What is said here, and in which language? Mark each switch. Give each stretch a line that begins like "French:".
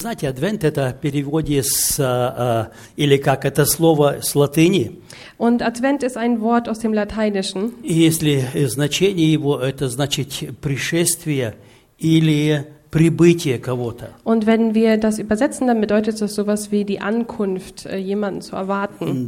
Russian: Знаете, адвент это в переводе с или как это слово с латыни.
German: Und Advent ist ein Wort aus dem Lateinischen.
Russian: И если значение его это значит пришествие или прибытие кого-то.
German: Und wenn wir das übersetzen, dann bedeutet das sowas wie die Ankunft, jemanden zu erwarten.